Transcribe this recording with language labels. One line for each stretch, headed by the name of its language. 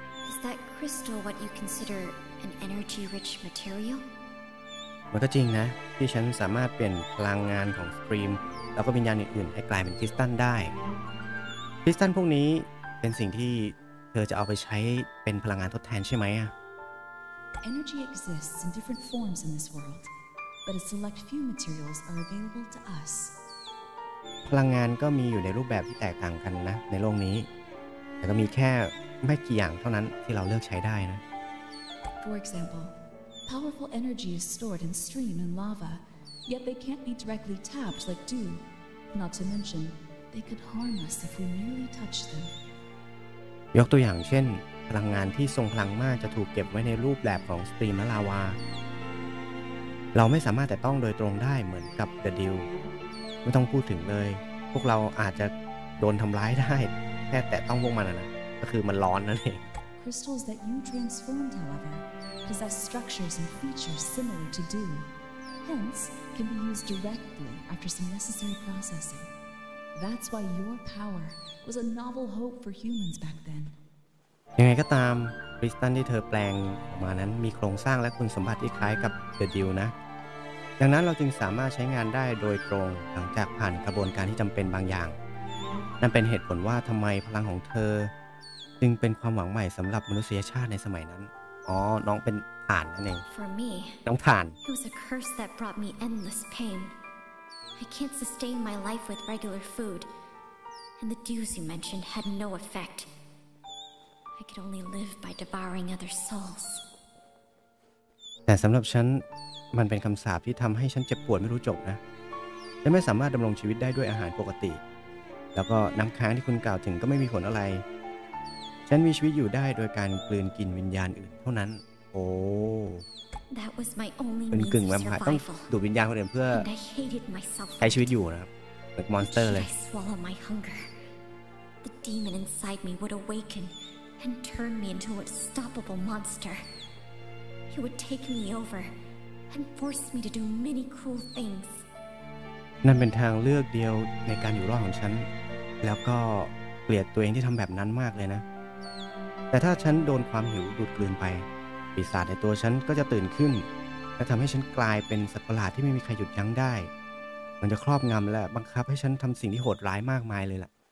English: Is that crystal what you consider an energy-rich material?
Thai: มันก็จริงนะที่ฉันสามารถเปลี่ยนพลังงานของสตรีมแล้วก็วิญญาณอื่นๆให้กลายเป็นคริสตัลได้คริสตัลพวกนี้เป็นสิ่งที่เธอจะเอาไปใช้เป็นพลังงานทดแทนใช่ไหมอ่ะ
English: Energy exists in different forms in this world, but a select few materials are available to us.
Thai: พลังงานก็มีอยู่ในรูปแบบที่แตกต่างกันนะในโลกนี้แต่ก็มีแค่ไม่กี่อย่างเท่านั้นที่เราเลือกใช้ได้นะ
English: For example, powerful energy is stored in stream and lava, yet they can't be directly tapped like dew. Not to mention, they could harm us if we merely touch them.
Thai: ยกตัวอย่างเช่นพลังงานที่ทรงพลังมากจะถูกเก็บไว้ในรูปแบบของสตรีมและลาวาเราไม่สามารถแตะต้องโดยตรงได้เหมือนกับ The Dew ไม่ต้องพูดถึงเลยพวกเราอาจจะโดนทำร้ายได้แค่แตะต้องพวกมันนะก็คือมันร้อนนั่นเอง
English: crystals that you transformed, however, possess structures and features similar to dew. Hence, can be used directly after some necessary processing. That's why your power was a novel hope for humans back then.
Thai: ยังไงก็ตามคริสตัลที่เธอแปลงออกมานั้นมีโครงสร้างและคุณสมบัติที่คล้ายกับเดดิวนะดังนั้นเราจึงสามารถใช้งานได้โดยตรงหลังจากผ่านกระบวนการที่จำเป็นบางอย่างนั่นเป็นเหตุผลว่าทำไมพลังของเธอจึงเป็นความหวังใหม่สำหรับมนุษยชาติในสมัยนั้นอ๋อน้องเป็นถ่านนั่นเองน้องถ่าน
English: It was a curse that brought me endless pain. I can't sustain my life with regular food, and the dews you mentioned had no effect. I could only live by devouring other souls.
Thai: แต่สำหรับฉันมันเป็นคำสาปที่ทำให้ฉันเจ็บปวดไม่รู้จบนะและไม่สามารถดำรงชีวิตได้ด้วยอาหารปกติแล้วก็น้ำค้างที่คุณกล่าวถึงก็ไม่มีผลอะไรฉันมีชีวิตอยู่ได้โดยการกลืนกินวิญญาณอื่นเท่านั้นโอ้
English: That was my only
Thai: means กึ่งแวมไพร์ต้องดูดวิญญาณคนอื่นเพื่อใช้ชีวิตอยู่นะครับเป็นมอนสเตอร์เลย
English: I swallow my hunger. The demon inside me would awaken and turn me into an unstoppable monster. He would take me over and force me to do many cruel things.
Thai: นั่นเป็นทางเลือกเดียวในการอยู่รอดของฉันแล้วก็เกลียดตัวเองที่ทำแบบนั้นมากเลยนะแต่ถ้าฉันโดนความหิวดูดกลืนไปปีศาจในตัวฉันก็จะตื่นขึ้นและทำให้ฉันกลายเป็นสัตว์ประหลาดที่ไม่มีใครหยุดยั้งได้มันจะครอบงำและบังคับให้ฉันทำสิ่งที่โหดร้ายมากมายเลยล่ะ